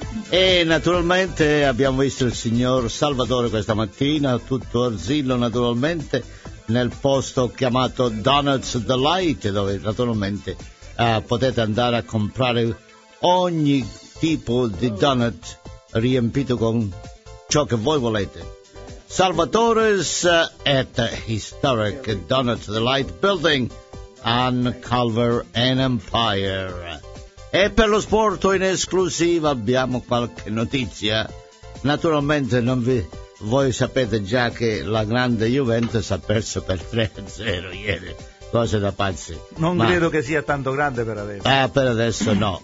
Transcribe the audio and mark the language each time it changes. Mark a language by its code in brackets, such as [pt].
[it] E naturalmente abbiamo visto il signor Salvatore questa mattina, tutto arzillo naturalmente, nel posto chiamato Donuts Delight, dove naturalmente potete andare a comprare ogni tipo di donut riempito con ciò che voi volete. [en] Salvatore's at Historic Donuts Delight Building on Culver and Empire. [it] E per lo sport in esclusiva abbiamo qualche notizia. Naturalmente non vi, voi sapete già che la grande Juventus ha perso per 3-0 ieri. Cose da pazzi. Non ma, credo che sia tanto grande per adesso. Per adesso no.